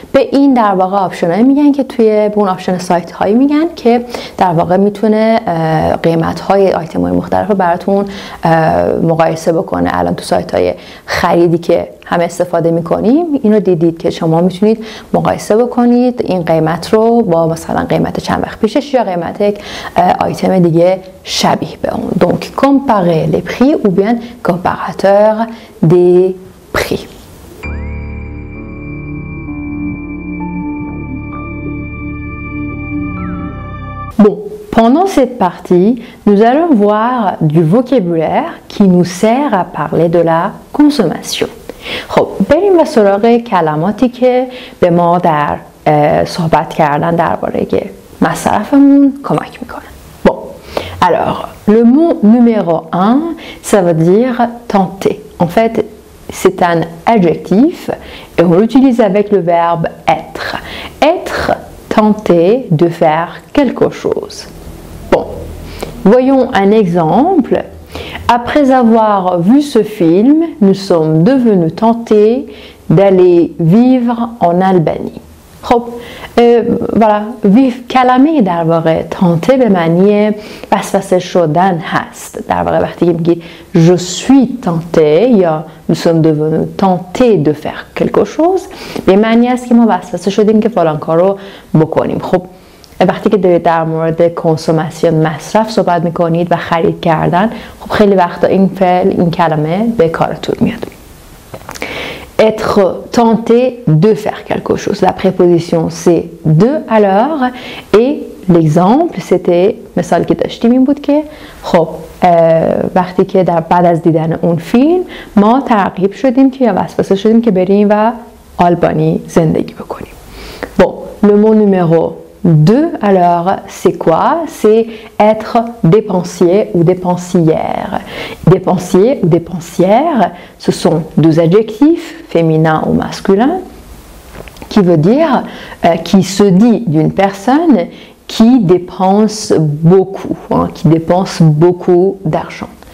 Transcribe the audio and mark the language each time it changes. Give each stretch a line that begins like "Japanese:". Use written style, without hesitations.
Persian: به این در واقع آپشن هایی میگن که توی اون آپشن سایت هایی میگن که در واقع میتونه قیمت های آیتم های مختلف رو براتون مقایسه بکنه. الان تو سایت های خریدی که هم استفاده میکنیم اینو دیدید که شما میتونید مقایسه بکنید این قیمت رو با مثلا قیمت چند وقت پیشش یا قیمت یک آیتم دیگه شبیه به اون.
French: donc comparer les prix ou bien comparateur des prix. bon, pendant cette partie, nous allons voir du vocabulaire qui nous sert à parler de la consommation.
Persian: خب بریم و سراغ کلماتی که به ما در صحبت کردن درباره مصرفمون کمک میکنه.
French: bon, alors le mot numéro 1, ça veut dire tenter. en fait, c'est un adjectif et on l'utilise avec le verbe être. être tenté de faire quelque chose. bon, voyons un exemple. Après avoir vu ce film, nous sommes devenus tentés d'aller vivre en Albanie.
Persian: خب voilà, vif کلمه در واقع تنته به معنی وسوسه شدن هست. در واقع وقتی که میگید
French: je suis tenté
Persian: یا
French: nous sommes devenus tentés de faire quelque chose
Persian: به معنی است که ما وسوسه شدیم که فلان کارو بکنیم. خب وقتی که دارید در مورد کنسومسیون مصرف صحبت میکنید و خرید کردن، خب خیلی وقتا این فعل، این کلمه به کارتون میاد.
French: être tenté de faire quelque chose. la préposition c'est de alors et l'exemple c'était
Persian: مثال که داشتیم این بود که خب وقتی که در بعد از دیدن اون فیلم ما ترغیب شدیم که یا وسوسه شدیم که بریم و آلبانی زندگی بکنیم.
French: bon, le mot numéro 2, alors, c'est quoi? C'est être dépensier ou dépensière. Dépensier ou dépensière, ce sont deux adjectifs, féminin ou masculin, qui veut dire, qui se dit d'une personne qui dépense beaucoup, hein, qui dépense beaucoup d'argent.